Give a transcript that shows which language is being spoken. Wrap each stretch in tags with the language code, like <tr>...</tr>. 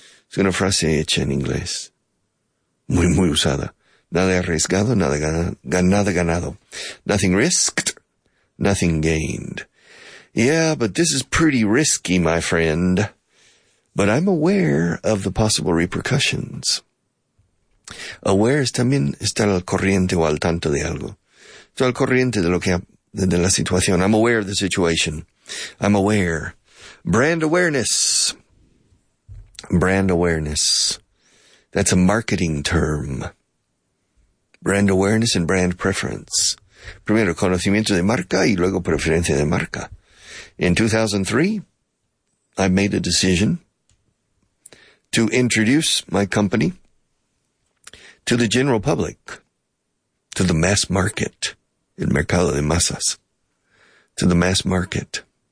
<es>Es una frase hecha en inglés. Muy, muy usada. Nada arriesgado, nada ganado.</es> <en>Nothing risked, nothing gained. Yeah, but this is pretty risky, my friend. But I'm aware of the possible repercussions.</en> <es>Aware es también estar al corriente o al tanto de algo. Estoy al corriente de la situación.</es> <en>I'm aware of the situation. I'm aware. Brand awareness. That's a marketing term. Brand awareness and brand preference.</en> <es>Primero, conocimiento de marca y luego preferencia de marca.</es> <en>In 2003, I made a decision to introduce my company to the general public, to the mass market,</en> <es>el mercado de masas,</es> <en>to the mass market.</en>